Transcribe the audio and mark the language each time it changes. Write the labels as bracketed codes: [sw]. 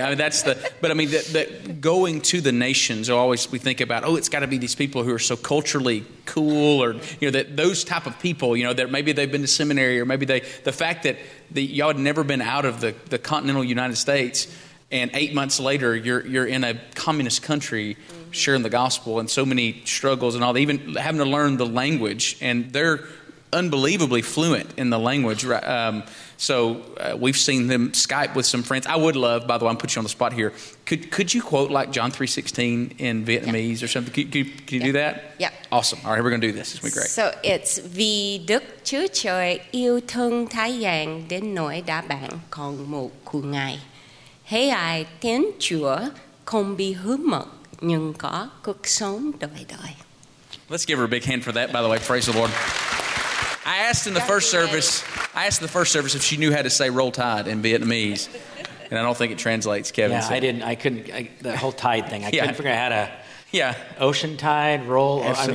[en] I mean, that's the, but I mean, that going to the nations, always we think about, oh, it's got to be these people who are so culturally cool, or, you know, that those type of people, you know, that maybe they've been to seminary, or maybe the fact that y'all had never been out of the continental United States, and 8 months later, you're in a communist country sharing the gospel and so many struggles and all, even having to learn the language, and they're unbelievably fluent in the language. So we've seen them Skype with some friends. I would love, by the way, I'm putting you on the spot here. Could you quote like John 3:16 in Vietnamese or something? Can you do that? Yeah. Awesome. All right, we're going to do this. It's going to be great. So it's [vi] Vì Đức Chúa Trời yêu thương thế gian đến nỗi đã ban con một của Ngài. Hễ ai tin Chúa không bị hư mất nhưng có cuộc sống đời đời. [en] Let's give her a big hand for that, by the way. Praise the Lord. I asked in the first service if she knew how to say "Roll Tide" in Vietnamese, and I don't think it translates, Kevin. Yeah, so. I didn't. I couldn't. The whole tide thing. I couldn't figure out how to. Yeah. Ocean tide, roll. Absolutely.